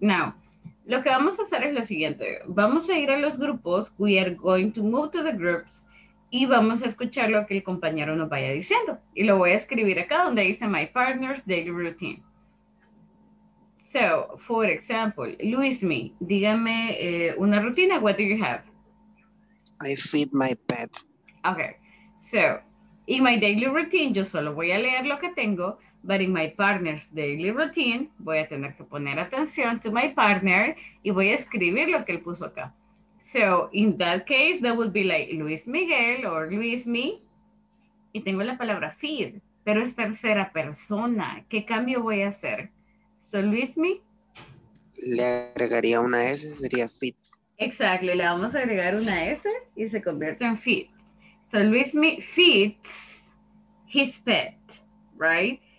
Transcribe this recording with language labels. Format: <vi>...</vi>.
<es>Now, lo que vamos a hacer es lo siguiente. Vamos a ir a los grupos.</es> <en>We are going to move to the groups.</en> <es>Y vamos a escuchar lo que el compañero nos vaya diciendo. Y lo voy a escribir acá donde dice</es> <en>my partner's daily routine. So, for example, Luismi,</en> <es>dígame una rutina.</es> <en>What do you have? I feed my pet. Okay. So, in my daily routine,</en> <es>yo solo voy a leer lo que tengo,</es> <en>but in my partner's daily routine,</en> <es>voy a tener que poner atención</es> <en>to my partner</en> <es>y voy a escribir lo que él puso acá.</es> <en>So, in that case, that would be like Luis Miguel or Luis Mi.</en> <es>Y tengo la palabra feed, pero es tercera persona. ¿Qué cambio voy a hacer? So, Luis Mi. Le agregaría una S, sería feed. Exacto, le vamos a agregar una S y se convierte en feed.</es> <en>So Luis Mi feeds his pet, right?</en>